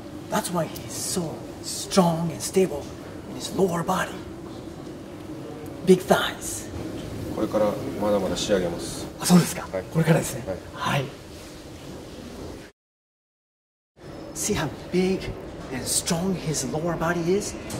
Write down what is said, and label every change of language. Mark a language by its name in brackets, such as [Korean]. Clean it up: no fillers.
[English] That's why he's so strong and stable in his lower body. Big thighs. [Japanese] これからまだまだ仕上げます。あ、そうですか。はい、これからですね。はい。 [English] See how big and strong his lower body is?